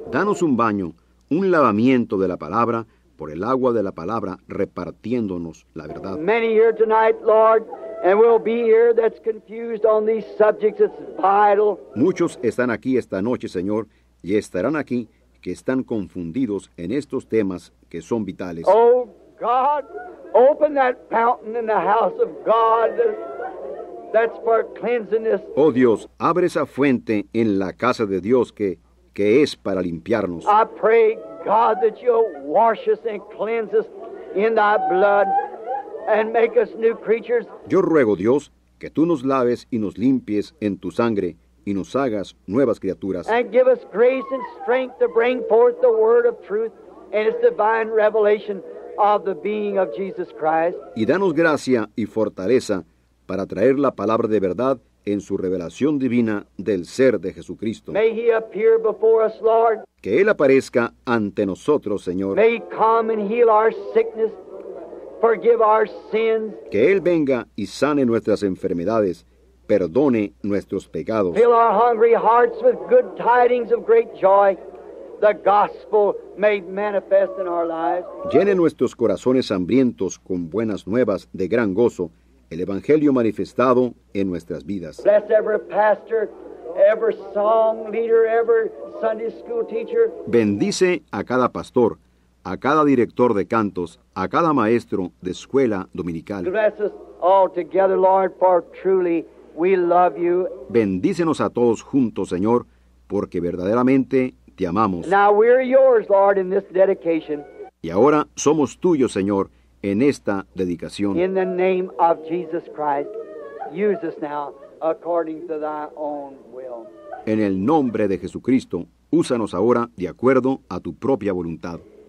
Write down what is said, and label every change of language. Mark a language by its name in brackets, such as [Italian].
[Spanish] Danos un baño, un lavamiento de la palabra por el agua de la palabra, repartiéndonos la verdad. [English] Many here tonight, Lord, and we'll be here that's confused on these subjects. It's vital. [Spanish] Muchos están aquí esta noche, Señor, y estarán aquí que están confundidos en estos temas que son vitales. [English] Oh, God, open that fountain in the house of God that's for cleansiness. [Spanish] Oh, Dios, abre esa fuente en la casa de Dios que es para limpiarnos. [English] I pray, God, that you'll wash us and cleanse us in thy blood and make us new creatures. [Spanish] Yo ruego, Dios, que tú nos laves y nos limpies en tu sangre y nos hagas nuevas criaturas. [English] And give us grace and strength to bring forth the word of truth and its divine revelation of the being of Jesus Christ. [Spanish] Y danos gracia y fortaleza para traer la palabra de verdad en su revelación divina del ser de Jesucristo. [English] May he appear before us, Lord. [Spanish] Que Él aparezca ante nosotros, Señor. [English] May he come and heal our sickness, forgive our sins. [Spanish] Que Él venga y sane nuestras enfermedades, perdone nuestros pecados. [English] Fill our hungry hearts with good tidings of great joy, the gospel made manifest in our lives. [Spanish] Llene nuestros corazones hambrientos con buenas nuevas de gran gozo, el evangelio manifestado en nuestras vidas. [English] Bless every pastor, every song leader, every Sunday school teacher. [Spanish] Bendice a cada pastor, a cada director de cantos, a cada maestro de escuela dominical. [English] Bless us all together, Lord, for truly we love you. [Spanish] Bendícenos a todos juntos, Señor, porque verdaderamente te amamos. [English] Now we're yours, Lord, in this dedication. [Spanish] Y ahora somos tuyos, Señor, en esta dedicación. [English] In the name of Jesus Christ, use us now according to thy own will. [Spanish] En el nombre de Jesucristo, úsanos ahora de acuerdo a tu propia voluntad.